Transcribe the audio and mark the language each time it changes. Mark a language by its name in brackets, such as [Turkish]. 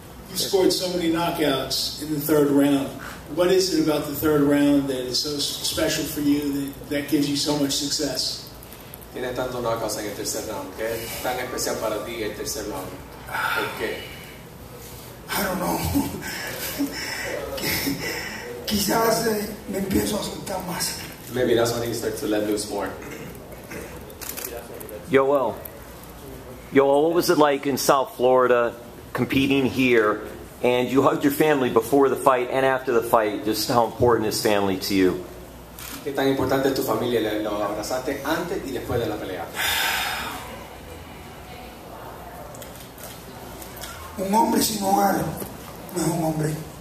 [English] You scored so many knockouts in the third round. What is it about the third round that is so special for you that gives you so much success? [Spanish] Tiene tantos knockouts en el tercer round. ¿Qué es tan especial para ti el tercer round? ¿Por qué? [English] I don't know. [Spanish] Quizás me empiezo a soltar más. [English] Maybe that's when he starts to let loose more. Yoel, what was it like in South Florida competing here? And you hugged your family before the fight and after the fight. Just how important is family to you? [Spanish] ¿Qué tan importante es tu familia? ¿Lo abrazaste antes y después de la pelea? Un hombre sin hogar no es un hombre.